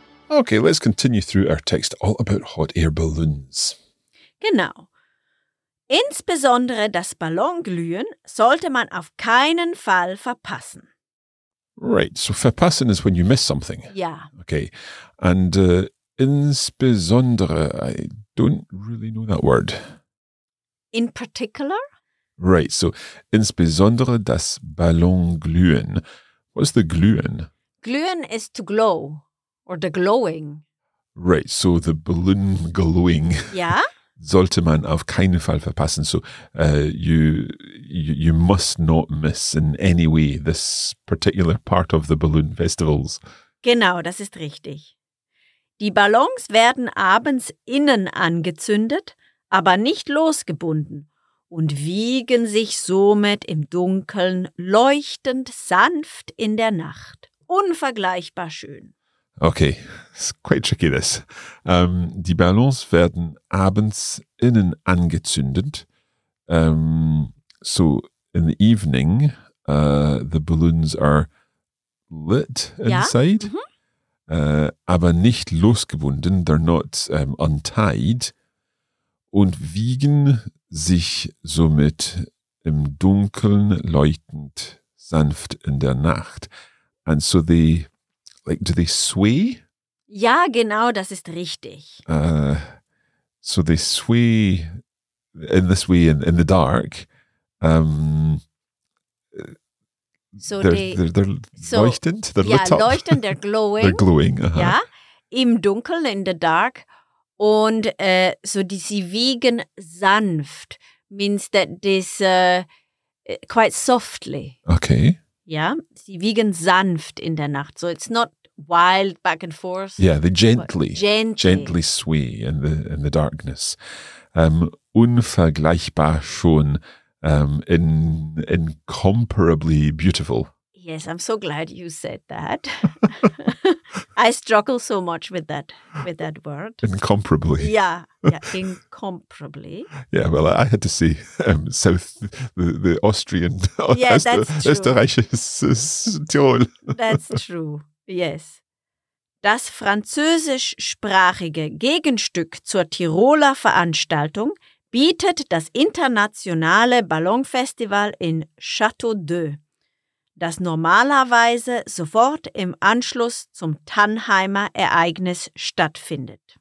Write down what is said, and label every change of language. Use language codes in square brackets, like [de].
[en] Okay, let's continue through our text all about hot air balloons. [de] Genau. Insbesondere das Ballonglühen sollte man auf keinen Fall verpassen. [en] Right, so verpassen is when you miss something. Yeah. Okay, and insbesondere, I don't really know that word. In particular? Right, so [de] insbesondere das Ballonglühen. [en] What's the glühen? Glühen is to glow, or the glowing. Right, so the balloon glowing. Yeah. [de] Sollte man auf keinen Fall verpassen. [en] So you must not miss in any way this particular part of the balloon festivals. [de] Genau, das ist richtig. Die Ballons werden abends innen angezündet, aber nicht losgebunden und wiegen sich somit im Dunkeln leuchtend sanft in der Nacht. Unvergleichbar schön. [en] Okay, it's quite tricky this. [de] Die Ballons werden abends innen angezündet. [en] So in the evening, the balloons are lit inside, [de] ja. Mm-hmm. Aber nicht losgebunden, [en] they're not untied, [de] und wiegen sich somit im Dunkeln leuchtend sanft in der Nacht. [en] And so they... Like, do they sway? [de] Ja, genau, das ist richtig. [en] So they sway in this way in the dark. Leuchtend? They're [de] ja, [en] lit up. Leuchtend, they're glowing. They're glowing, uh-huh. [de] Ja, im Dunkeln, [en] in the dark. [de] Und so die, sie wiegen sanft. [en] Means that this quite softly. Okay. [de] Ja, sie wiegen sanft in der Nacht. [en] So it's not wild back and forth. Yeah, they gently sway in the darkness. [de] Unvergleichbar schon, [en] incomparably beautiful. Yes, I'm so glad you said that. I struggle so much with that word. Incomparably. Yeah, incomparably. Yeah, well, I had to say the Austrian. Yeah, that's true. [de] Österreichisches Tirol. [en] That's true. Yes. [de] Das französischsprachige Gegenstück zur Tiroler Veranstaltung bietet das internationale Ballonfestival in Château d'Œx, das normalerweise sofort im Anschluss zum Tannheimer Ereignis stattfindet.